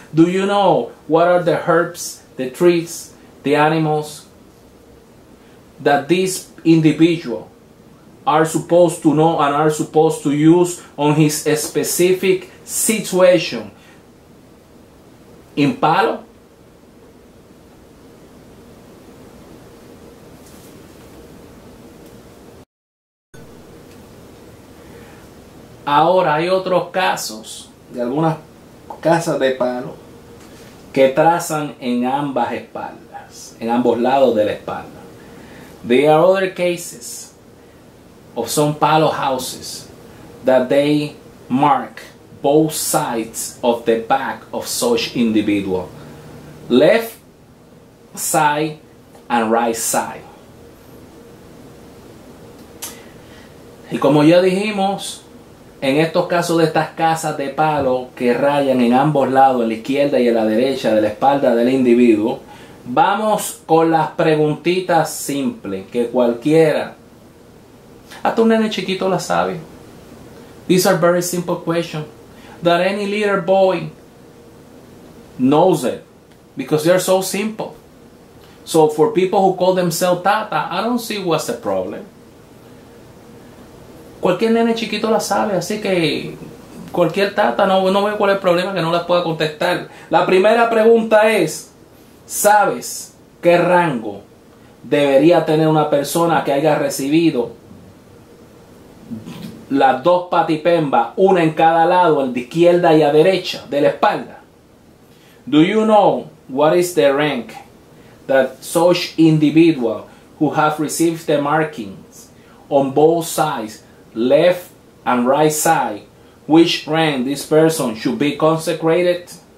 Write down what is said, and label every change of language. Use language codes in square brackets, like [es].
[en] Do you know what are the herbs, the trees, the animals that this individual are supposed to know and are supposed to use on his specific situation in Palo? [es] Ahora, hay otros casos de algunas casas de palo que trazan en ambas espaldas, en ambos lados de la espalda. [en] There are other cases of some palo houses that they mark both sides of the back of such individual, left side and right side. [es] Y como ya dijimos, en estos casos de estas casas de palo que rayan en ambos lados, en la izquierda y en la derecha de la espalda del individuo, vamos con las preguntitas simples que cualquiera, hasta un nene chiquito la sabe. [en] These are very simple questions that any little boy knows it because they are so simple. So for people who call themselves tata, I don't see what's the problem. [es] Cualquier nene chiquito la sabe, así que cualquier tata, no veo cuál es el problema que no las pueda contestar. La primera pregunta es, ¿sabes qué rango debería tener una persona que haya recibido las dos patipembas, una en cada lado, el de izquierda y a derecha de la espalda? [en] Do you know what is the rank that such individual who have received the markings on both sides, left and right side, which rank this person should be consecrated?